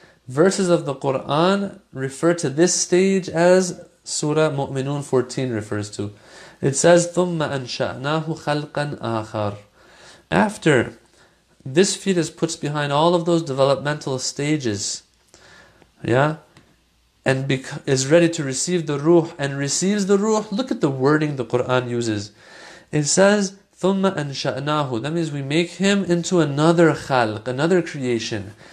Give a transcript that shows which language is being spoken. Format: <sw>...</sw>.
<en>Verses of the Qur'an refer to this stage as Surah Mu'minun 14 refers to. It says,</en> <ar>ثُمَّ أَنْشَأْنَاهُ خَلْقًا آخَرٌ.</ar> <en>After this fetus puts behind all of those developmental stages, yeah, and is ready to receive the ruh and receives the ruh, look at the wording the Qur'an uses. It says,</en> <ar>ثُمَّ أَنْشَأْنَاهُ.</ar> <en>That means we make him into another khalq, another creation.</en>